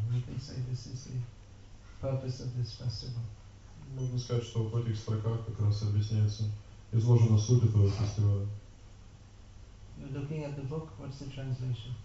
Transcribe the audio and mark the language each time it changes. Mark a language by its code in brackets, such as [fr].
[en] We can say this is the purpose of this festival. [ru] Можно сказать, что в этих строках как раз объясняется, изложена суть этого фестиваля. [en] You're looking at the book, what's the translation?